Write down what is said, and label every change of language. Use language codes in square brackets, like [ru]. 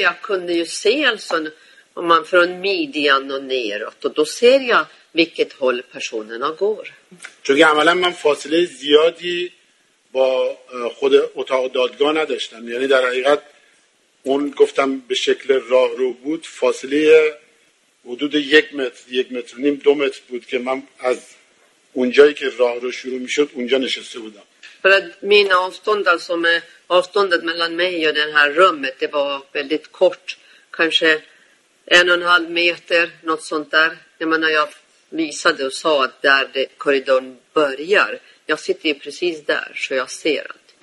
[sv] Jag kunde ju se alltså om man från midjan och neråt. Och då ser jag vilket håll personerna går. [fa] چون عملاً من فاصله زیادی با خود اتاق دادگاه نداشتم. یعنی در حقیقت اون گفتم به شکل راهرو بود فاصله حدود یک متر، یک متر نیم، دو متر بود که من از اونجایی که راهرو شروع میشد اونجا نشسته بودم. برای من [sv] avstånd alltså med avståndet mellan mig och den här rummet det var väldigt kort, kanske 1,5 meter något sånt där. Jag menar jag visade och sa att där korridoren börjar. Jag sitter ju precis där så jag ser att.